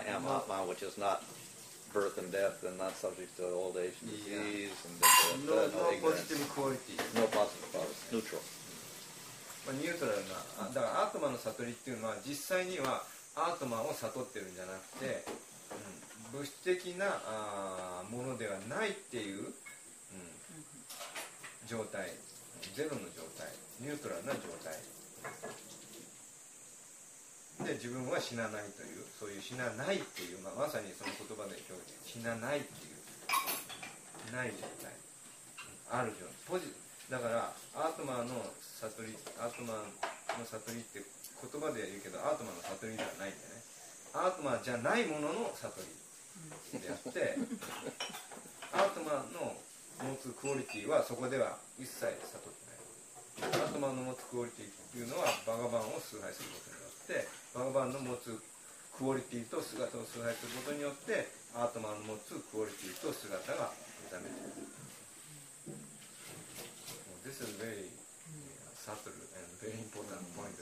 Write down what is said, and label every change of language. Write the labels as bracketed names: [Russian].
[English] I am Atma, which is not birth and death and not subject to old age and disease and death, no positive quality. No positive quality. Neutral. Neutral. [Japanese] なだからアートマの悟りっていうのは実際にはアートマを悟ってるんじゃなくて、物質的なものではないっていう、状態、ゼロの状態、ニュートラルな状態で、自分は死なないという、そういう死なないっていう、まあ、まさにその言葉で表現、死なないっていうない状態、ある状態、ポジ、だからアートマの悟り、アートマの悟りって言葉では言うけど、アートマの悟りではないんだね。アートマじゃないものの悟りであって、アートマの持つクオリティはそこでは一切悟ってない。アートマの持つクオリティというのはバガバンを崇拝することによって、バガバンの持つクオリティと姿を崇拝することによって、アートマの持つクオリティと姿が目覚めている。 [English] This is very subtle and very important point.